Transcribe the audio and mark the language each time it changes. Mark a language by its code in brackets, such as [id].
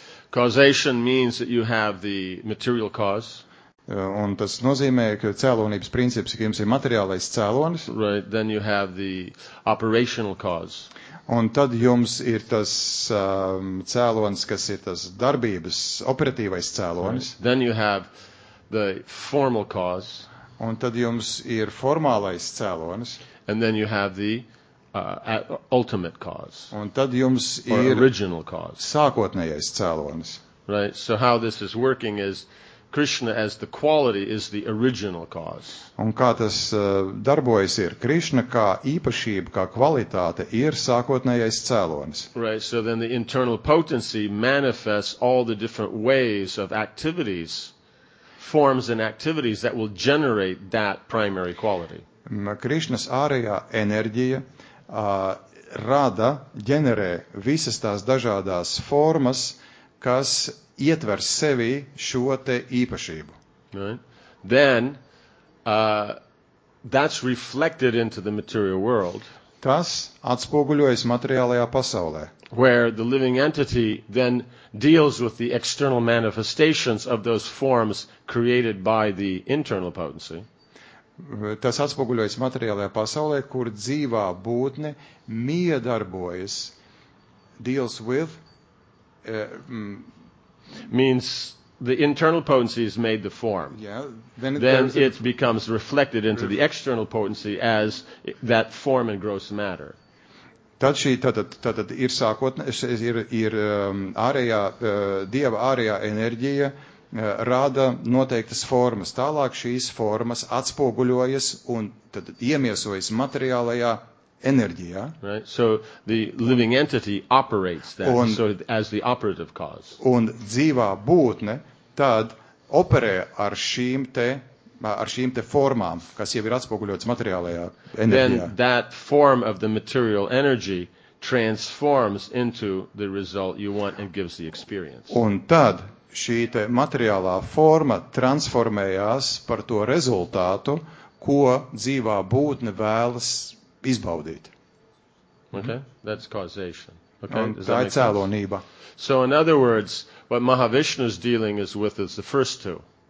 [en] Causation means that you have the material cause. [lv] Un tas nozīmē, ka cēlonības princips, ka jums ir materiālais cēlonis. [en] Right, then you have the operational cause. [lv] Un tad jums ir tas cēlons, kas ir tas darbības operatīvais cēlonis. [en] Right. Then you have the formal cause. [lv] Un tad jums ir formālais cēlonis. [en] And then you have the ultimate cause. [lv] Un tad jums [en] or [lv] ir [en] original cause. [lv] Sākotnējais cēlonis. [en] Right. So how this is working is Krishna as the quality is the original cause. [lv] Un kā tas darbojas ir Krishna kā īpašība, kā kvalitāte ir sākotnējais cēlonis. [en] Right. So then the internal potency manifests all the different ways of activities, forms and activities that will generate that primary quality. [lv] Krišnas ārējā enerģija rada, ģenerē visas tās dažādās formas, kas ietver sevī šo te īpašību. [en] Right. Then, that's reflected into the material world. [lv] Tas atspoguļojas materiālajā pasaulē. [en] Where the living entity then deals with the external manifestations of those forms created by the internal potency. [lv] Tas atspoguļojas materiālajā pasaulē, kur dzīvā būtne miedarbojas, [en] deals with. Means the internal potency has made the form. Yeah, then it becomes reflected into the external potency as that form and gross matter. [lv] Tad šī tātad ir sākotnes, ir ārējā, dieva ārējā enerģija, rāda noteiktas formas. Tālāk šīs formas atspoguļojas un tad iemiesojas materiālajā enerģijā. [en] Right? So the living entity operates that un, so as the operative cause. [lv] Un dzīvā būtne tad operē ar šīm te formām, kas jau ir atspoguļotas materiālajā enerģijā. [en] Then that form of the material energy transforms into the result you want and gives the experience. [lv] Un tad šī te materiālā forma transformējās par to rezultātu, ko dzīvā būtne vēlas izbaudīt. [en] Okay, that's causation. Okay, [lv] un tā ir cēlonība. [en] So in other words, what Mahavishnu is dealing is with is the first two.